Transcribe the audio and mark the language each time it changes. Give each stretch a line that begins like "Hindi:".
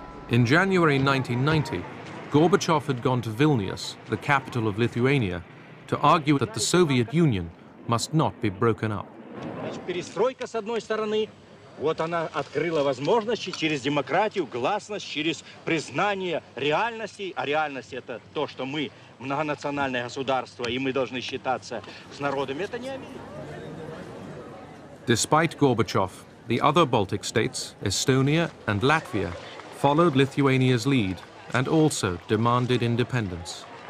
English: In January 1990, Gorbachev had gone to Vilnius, the capital of Lithuania, to argue that the Soviet Union must not be broken up.
Russian: Перестройка с одной стороны, вот она открыла возможности через демократию, гласность, через признание реальности, а реальность это то, что мы многонациональное государство и мы должны считаться с народами, это не Америка.
English: Despite Gorbachev, the other Baltic states, Estonia and Latvia, followed Lithuania's lead and also demanded independence.